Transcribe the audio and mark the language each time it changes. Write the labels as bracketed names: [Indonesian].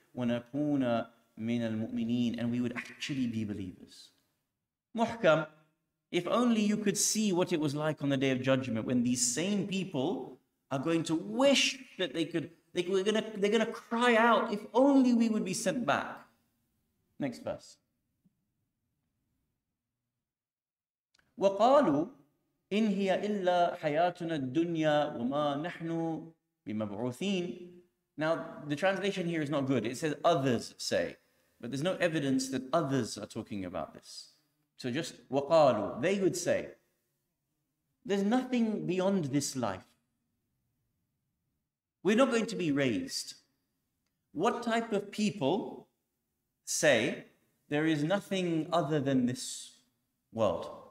[Arabic] وَنَكُونَ مِنَ الْمُؤْمِنِينَ [English] And we would actually be believers. Muhkam, if only you could see what it was like on the Day of Judgment when these same people are going to wish that they could, they're going to cry out, if only we would be sent back. Next verse. [Arabic] وَقَالُوا إِنْ هِيَ إِلَّا حَيَاتُنَا الدُّنْيَا وَمَا نَحْنُ بِمَبْعُوثِينَ [English] Now, the translation here is not good. It says, others say. But there's no evidence that others are talking about this. So just, وَقَالُوا They would say, there's nothing beyond this life. We're not going to be raised. What type of people say, there is nothing other than this world?